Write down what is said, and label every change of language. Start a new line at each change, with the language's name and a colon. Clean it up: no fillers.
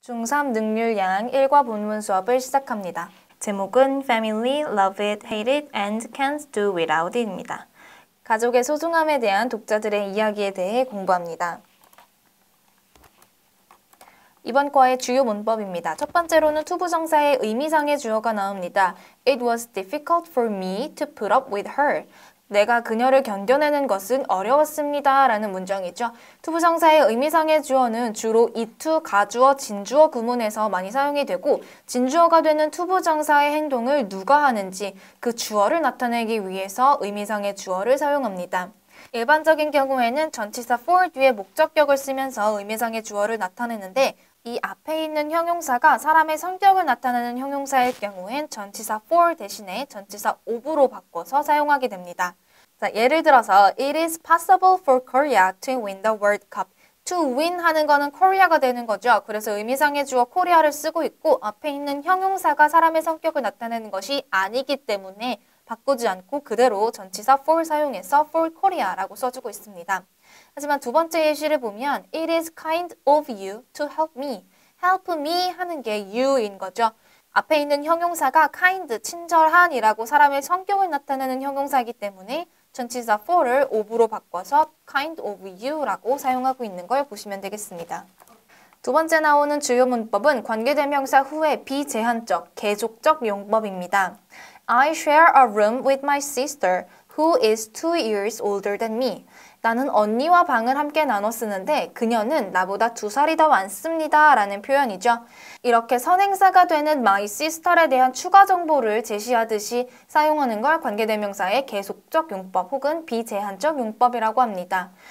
Korean: 중3 능률 양 1과 본문 수업을 시작합니다. 제목은
English: Family, Love It, Hate It, and Can't Do Without It
Korean: 입니다. 가족의 소중함에 대한 독자들의 이야기에 대해 공부합니다. 이번 과의 주요 문법입니다. 첫 번째로는 투부정사의 의미상의 주어가 나옵니다.
English: It was difficult for me to put up with her.
Korean: 내가 그녀를 견뎌내는 것은 어려웠습니다 라는 문장이죠. 투부정사의 의미상의 주어는 주로 이투, 가주어, 진주어 구문에서 많이 사용이 되고 진주어가 되는 투부정사의 행동을 누가 하는지 그 주어를 나타내기 위해서 의미상의 주어를 사용합니다. 일반적인 경우에는 전치사 for 뒤에 목적격을 쓰면서 의미상의 주어를 나타내는데 이 앞에 있는 형용사가 사람의 성격을 나타내는 형용사일 경우엔 전치사 for 대신에 전치사 of로 바꿔서 사용하게 됩니다. 자, 예를 들어서
English: It is possible for Korea to win the World Cup.
Korean: To win 하는 거는 Korea가 되는 거죠. 그래서 의미상의 주어 Korea를 쓰고 있고 앞에 있는 형용사가 사람의 성격을 나타내는 것이 아니기 때문에 바꾸지 않고 그대로 전치사 for 사용해서 for Korea라고 써주고 있습니다. 하지만 두 번째 예시를 보면
English: It is kind of you to help me.
Korean: Help me 하는 게 you인 거죠. 앞에 있는 형용사가 kind, 친절한이라고 사람의 성격을 나타내는 형용사이기 때문에 전치사 for를 of로 바꿔서 kind of you라고 사용하고 있는 걸 보시면 되겠습니다. 두 번째 나오는 주요 문법은 관계대명사 후에 비제한적, 계속적 용법입니다.
English: I share a room with my sister who is 2 years older than me.
Korean: 나는 언니와 방을 함께 나눠 쓰는데 그녀는 나보다 두 살이 더 많습니다 라는 표현이죠. 이렇게 선행사가 되는 my sister에 대한 추가 정보를 제시하듯이 사용하는 걸 관계대명사의 계속적 용법 혹은 비제한적 용법이라고 합니다.